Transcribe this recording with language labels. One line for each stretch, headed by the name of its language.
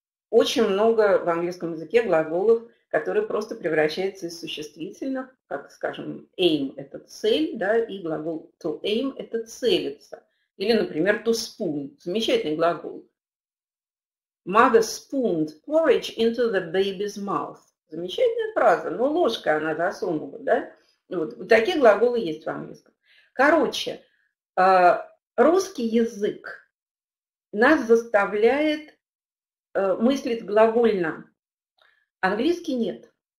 Russian: Очень много в английском языке глаголов, которые просто превращаются из существительных, как, скажем, aim – это цель, да, и глагол to aim – это целиться. Или, например, to spoon – замечательный глагол.
English: Mother spooned porridge into the baby's mouth.
Russian: Замечательная фраза, но ложка она засунула, да? Вот, вот такие глаголы есть в английском. Короче, русский язык нас заставляет мыслить глагольно. Английский нет.